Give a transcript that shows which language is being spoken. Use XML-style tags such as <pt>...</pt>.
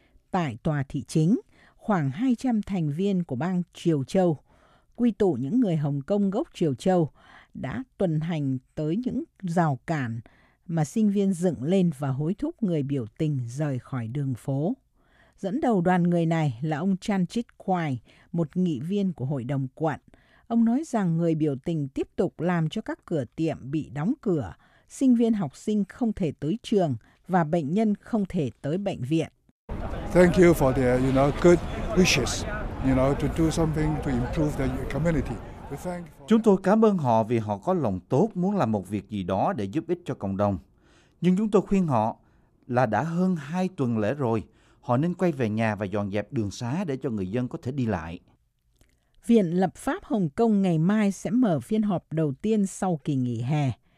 <vi>Tại tòa thị chính, khoảng 200 thành viên của bang Triều Châu, quy tụ những người Hồng Kông gốc Triều Châu, đã tuần hành tới những rào cản mà sinh viên dựng lên và hối thúc người biểu tình rời khỏi đường phố. Dẫn đầu đoàn người này là ông Chan Chit Kwai, một nghị viên của hội đồng quận. Ông nói rằng người biểu tình tiếp tục làm cho các cửa tiệm bị đóng cửa, sinh viên học sinh không thể tới trường và bệnh nhân không thể tới bệnh viện.</vi> <en>Thank you for the, you know, good wishes, you know, to do something to improve the community.</en> <vi>Chúng tôi cảm ơn họ vì họ có lòng tốt muốn làm một việc gì đó để giúp ích cho cộng đồng. Nhưng chúng tôi khuyên họ là đã hơn 2 tuần lễ rồi, họ nên quay về nhà và dọn dẹp đường xá để cho người dân có thể đi lại. Viện Lập pháp Hồng Kông ngày mai sẽ mở phiên họp đầu tiên sau kỳ nghỉ hè.</vi>